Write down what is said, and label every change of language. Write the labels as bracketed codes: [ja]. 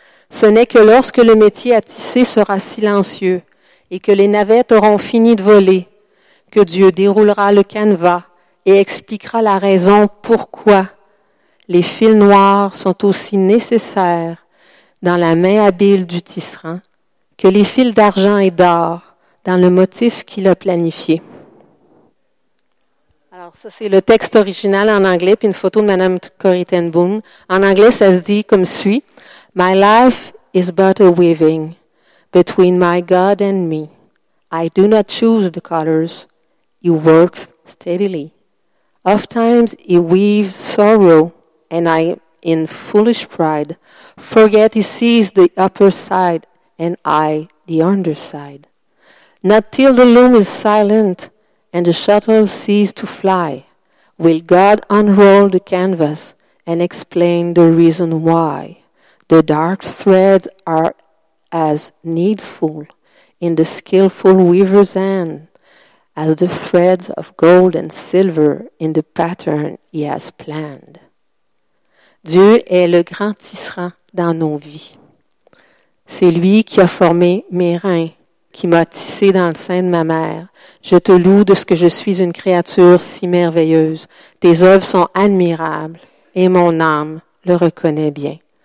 [fr] Ce n'est que lorsque le métier à tisser sera silencieux et que les navettes auront fini de voler, que Dieu déroulera le canevas et expliquera la raison pourquoi les fils noirs sont aussi nécessaires dans la main habile du tisserand que les fils d'argent et d'or dans le motif qu'il a planifié. Alors ça, c'est le texte original en anglais, puis une photo de Mme Corrie ten Boom. En anglais, ça se dit comme suit. [en] My life is but a weaving between my God and me. I do not choose the colors. He works steadily. Oftentimes he weaves sorrow, and I, in foolish pride, forget he sees the upper side and I the underside. Not till the loom is silent and the shuttles cease to fly will God unroll the canvas and explain the reason why. The dark threads are as needful in the skillful weaver's hand as the threads of gold and silver in the pattern he has planned. [fr] Dieu est le grand tisserand dans nos vies. C'est lui qui a formé mes reins, qui m'a tissé dans le sein de ma mère. Je te loue de ce que je suis une créature si merveilleuse. Tes œuvres sont admirables et mon âme le reconnaît bien.